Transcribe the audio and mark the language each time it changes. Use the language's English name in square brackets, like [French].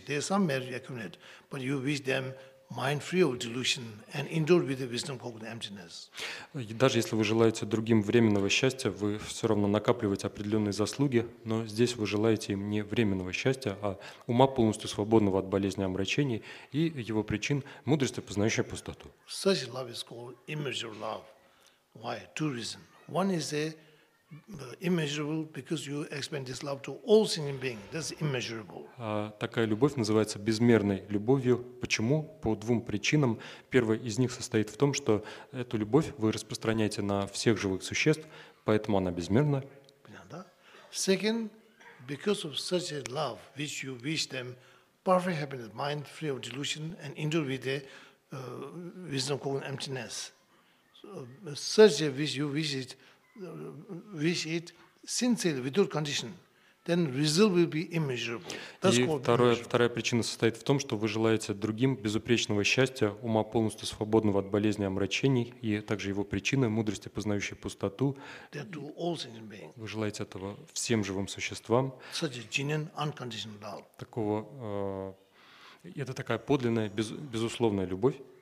[English] There is some merit you accumulate, but you wish them mind free of delusion and endure with the wisdom called emptiness. [Russian] Даже если вы желаете другим временного счастья, вы все равно накапливаете определенные заслуги, но здесь вы желаете им не временного счастья, а ума полностью свободного от болезни омрачений и его причин мудрости, познающей пустоту. [English] Such love is called immeasurable love. Why? Two reasons. One is a immeasurable because you expand this love to all sentient being. That's immeasurable. [Russian] Такая любовь называется безмерной любовью. Почему? По двум причинам. Первая из них состоит в том, что эту любовь вы распространяете на всех живых существ, поэтому она безмерна. [English] Second, because of such a love which you wish them perfect happiness, mind free of delusion and endure with the wisdom called emptiness. So, such a wish you wish it sincerely, without condition, then result will be immeasurable. That's called immeasurable. [Russian] Вторая причина состоит в том, что вы желаете другим безупречного счастья, ума полностью свободного от болезни омрачений и также его причины, мудрости, познающей пустоту. [English] That to all sentient beings. [Russian] Вы желаете этого всем живым существам. [English] Such a genuine, unconditional love. [Russian] Такого, это такая подлинная, безусловная любовь.